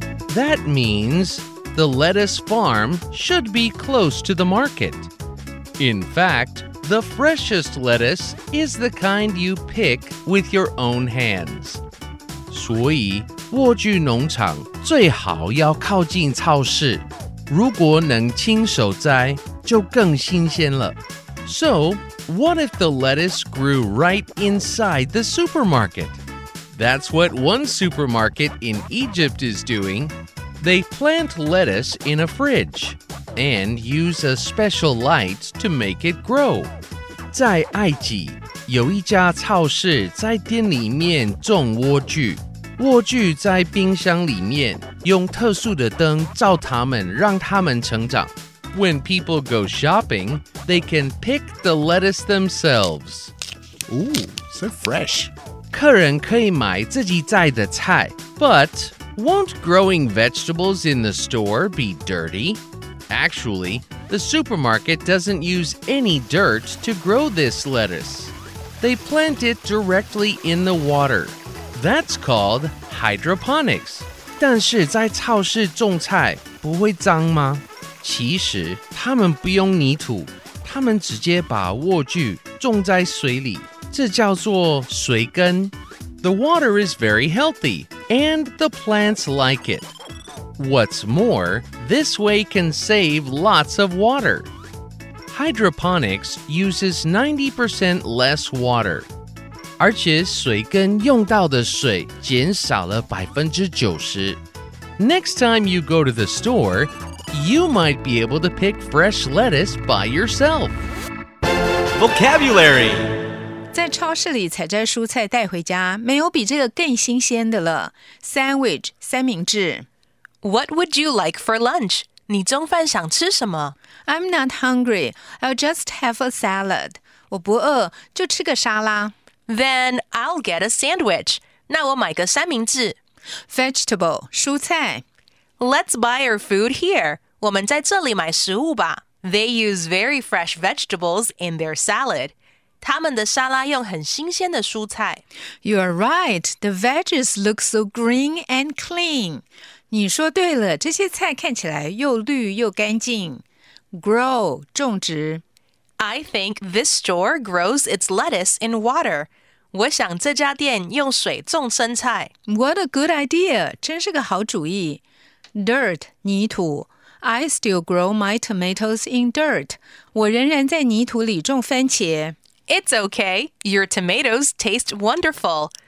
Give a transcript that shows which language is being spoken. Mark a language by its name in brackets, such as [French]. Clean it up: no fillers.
[English] That means the lettuce farm should be close to the market. In fact, the freshest lettuce is the kind you pick with your own hands. [Chinese] 所以莴苣农场最好要靠近超市，如果能亲手摘就更新鲜了。 [English] So, what if the lettuce grew right inside the supermarket? That's what one supermarket in Egypt is doing. They plant lettuce in a fridge and use a special light to make it grow. [Chinese] 在埃及，有一家超市在店里面种莴苣。莴苣在冰箱里面用特殊的灯照它们，让它们成长。 [English] When people go shopping, they can pick the lettuce themselves. Ooh, so fresh. [Chinese] 客人可以买自己摘的菜。 [English] But won't growing vegetables in the store be dirty? Actually, the supermarket doesn't use any dirt to grow this lettuce. They plant it directly in the water. That's called hydroponics. [Chinese] 但是在超市种菜不会脏吗？其实他们不用泥土，他们直接把莴苣种在水里，这叫做水根。 [English] The water is very healthy, and the plants like it. What's more, this way can save lots of water. Hydroponics uses 90% less water. [Chinese] 而且水根用到的水减少了 90%。 [English] Next time you go to the store, you might be able to pick fresh lettuce by yourself. Vocabulary. [Chinese] 在超市里采摘蔬菜带回家，没有比这个更新鲜的了。 [English] Sandwich, 三明治。 What would you like for lunch? [Chinese] 你中饭想吃什么？ [English] I'm not hungry. I'll just have a salad. [Chinese] 我不饿，就吃个沙拉。 [English] Then I'll get a sandwich. [Chinese] 那我买个三明治。 [English] Vegetable, 蔬菜。 Let's buy our food here. [Chinese] 我们在这里买食物吧。 [English] They use very fresh vegetables in their salad. [Chinese] 他们的沙拉用很新鲜的蔬菜。 [English] You are right. The veggies look so green and clean. [Chinese] 你说对了，这些菜看起来又绿又干净。 [English] Grow, 种植。 I think this store grows its lettuce in water. [Chinese] 我想这家店用水种生菜。 [English] What a good idea! [Chinese] 真是个好主意。 [English] Dirt, 泥土。 I still grow my tomatoes in dirt. [Chinese] 我仍然在泥土里种番茄。 [English] It's okay. Your tomatoes taste wonderful.